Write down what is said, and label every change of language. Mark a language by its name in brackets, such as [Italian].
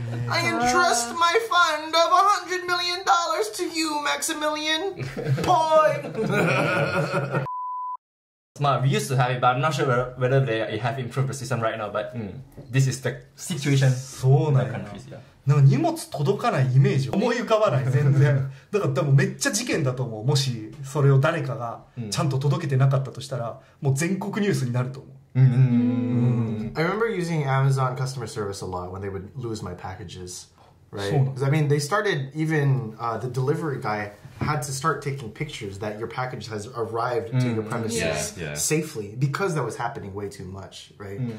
[English] I entrust my fund of $100 million to you, Maximilian. Boy! Well, we used to have it, but I'm not sure whether they have improved the system right now, but this is the situation in the countries, yeah. [Japanese] なんか荷物届かないイメージ思い浮かばない、全然。だから多分めっちゃ事件だと思う、もしそれを誰かがちゃんと届けてなかったとしたら、もう全国ニュースになると思う。 [English] I remember using Amazon customer service a lot when they would lose my packages, right? Because I mean, they started even the delivery guy had to start taking pictures that your package has arrived to your premises safely because that was happening way too much, right?